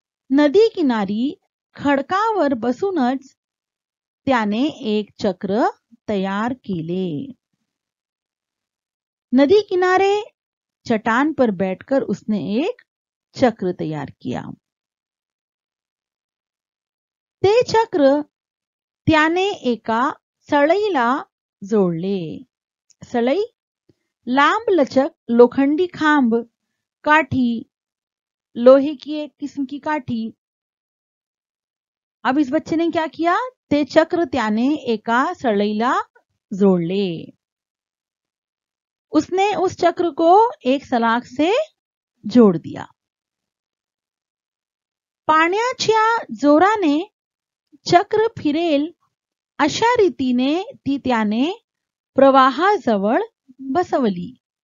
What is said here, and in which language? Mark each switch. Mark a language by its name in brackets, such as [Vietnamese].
[Marathi] नदी किनारी खड़कावर बसूनच त्याने एक चक्र तयार केले। [Hindi] नदी किनारे चट्टान पर बैठकर उसने एक चक्र तैयार किया। [Marathi] ते चक्र त्याने एका सळईला जोडले। सळई लांब लचक लोखंडी खांब, काठी [Hindi] लोहे की एक किस्म की काठी। अब इस बच्चे ने क्या किया, [Marathi] ते चक्र त्याने एका सळईला जोडले। [Hindi] उसने उस चक्र को एक सलाख से जोड़ दिया। [Marathi] पाण्याच्या जोराने चक्र फिरेल अशा रीतीने ती त्याने प्रवाहाजवळ बसवली।